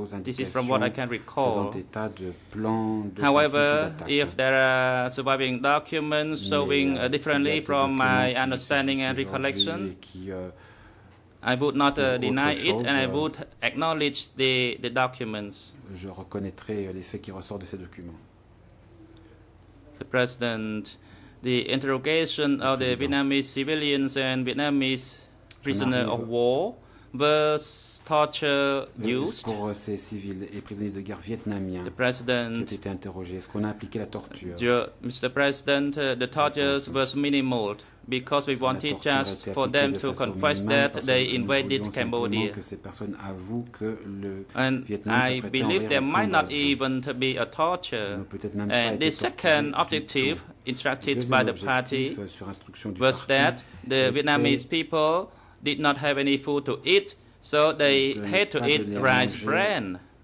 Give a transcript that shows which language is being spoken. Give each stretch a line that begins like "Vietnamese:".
English: This is from what I can recall. However, if there are surviving documents showing differently from my understanding and recollection, I would not deny it, and I would acknowledge the documents.
French: Je reconnaîtrai les faits qui ressortent de ces documents.
English: The President, the interrogation of the Vietnamese civilians and Vietnamese prisoners of war was torture used.
French: Pour ces civils et prisonniers de guerre vietnamiens
English: the President,
French: qui ont été interrogés, est-ce qu'on a appliqué la torture?
English: Mr. President, the torture was minimal because we wanted just for them to confess that they invaded Cambodia.
French: Que ces personnes avouent que le
English: and Vietnam I believe there might not even be a torture. And the second objective instructed by the party was that the Vietnamese people did not have any food to eat, so they had to eat rice bran.